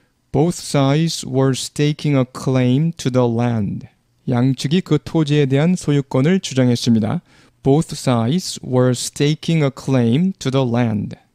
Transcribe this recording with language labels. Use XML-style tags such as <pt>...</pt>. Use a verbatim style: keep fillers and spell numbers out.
<en>Both sides were staking a claim to the land.</en> <ko>양측이 그 토지에 대한 소유권을 주장했습니다.</ko> <en>Both sides were staking a claim to the land.</en>